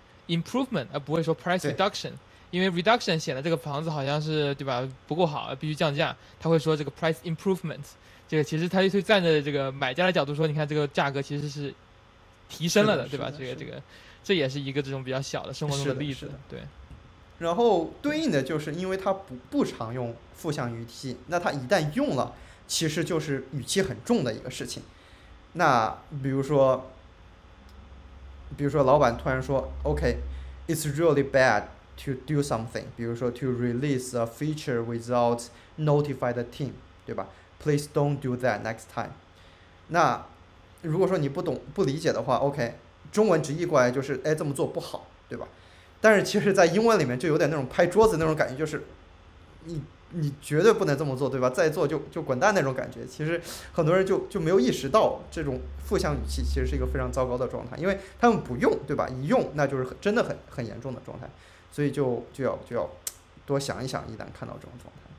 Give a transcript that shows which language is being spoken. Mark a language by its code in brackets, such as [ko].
[zh] improvement 而不会说 price reduction， 因为 reduction 显得这个房子好像是对吧不够好必须降价，他会说这个 price improvement， 这个其实他就会站在这个买家的角度说你看这个价格其实是提升了的对吧，这也是一个这种比较小的生活中的例子。对，然后对应的就是因为他不常用负向语气，那他一旦用了其实就是语气很重的一个事情。那比如说老板突然说 [en] OK it's really bad to do something， [zh] 比如说 [en] to release a feature without notify the team， [zh] 对吧， [en] please don't do that next time。 [zh] 那如果说你不懂不理解的话 OK 中文直译过来就是哎这么做不好，对吧。但是其实在英文里面就有点那种拍桌子那种感觉，就是你绝对不能这么做，对吧，再做就滚蛋那种感觉。其实很多人就没有意识到这种负向语气其实是一个非常糟糕的状态，因为他们不用，对吧，一用那就是真的很严重的状态，所以就要多想一想，一旦看到这种状态。